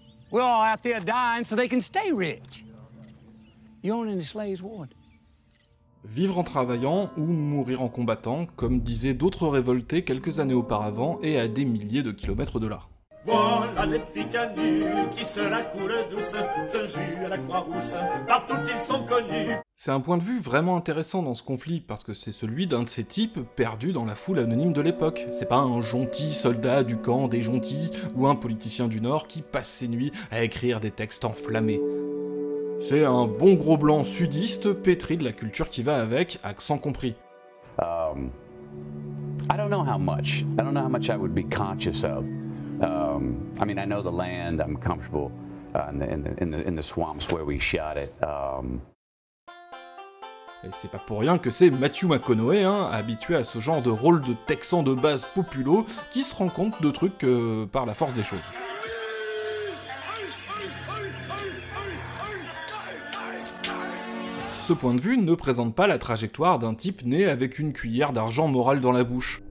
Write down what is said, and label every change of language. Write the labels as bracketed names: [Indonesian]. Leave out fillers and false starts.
[English] We're all out there dying so they can stay rich. You're only in the slave's ward. [French] Vivre en travaillant ou mourir en combattant, comme disaient d'autres révoltés quelques années auparavant et à des milliers de kilomètres de là. Voilà les petits canuts qui se la coulent douce, se jouent à la Croix-Rousse, partout ils sont connus. C'est un point de vue vraiment intéressant dans ce conflit, parce que c'est celui d'un de ces types perdu dans la foule anonyme de l'époque. C'est pas un gentil soldat du camp des gentils ou un politicien du Nord qui passe ses nuits à écrire des textes enflammés. C'est un bon gros blanc sudiste, pétri de la culture qui va avec, accent compris. [English] I don't know how much I would be conscious of. I know the land, I'm comfortable in the swamps where we shot it. [French] Et c'est pas pour rien que c'est Matthew McConaughey, hein, habitué à ce genre de rôle de texan de base populo, qui se rend compte de trucs par la force des choses. Ce point de vue ne présente pas la trajectoire d'un type né avec une cuillère d'argent moral dans la bouche.